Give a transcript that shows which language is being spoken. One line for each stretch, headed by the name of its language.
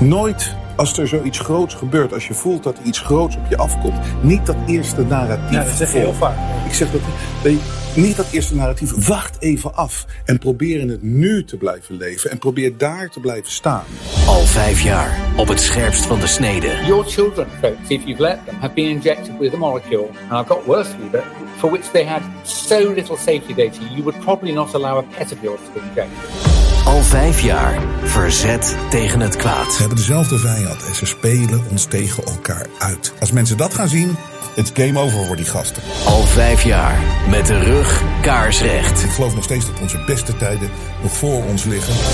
Dutch: Nooit als er zoiets groots gebeurt, als je voelt dat iets groots op je afkomt. Niet dat eerste narratief. Ja, dat zeg je heel vaak. Ik zeg dat niet dat eerste narratief. Wacht even af en probeer in het nu te blijven leven. En probeer daar te blijven staan. Al 5 jaar op het scherpst van de snede.
English: Your children, if you've let them, have been injected with a molecule. And I've got worse with it. For which they had so little safety data. You would probably not allow a pet of yours to be injected.
Dutch: Al 5 jaar verzet tegen het kwaad. Ze hebben dezelfde vijand en ze spelen ons tegen elkaar uit. Als mensen dat gaan zien, het is game over voor die gasten. Al 5 jaar met de rug kaarsrecht. Ik geloof nog steeds dat onze beste tijden nog voor ons liggen.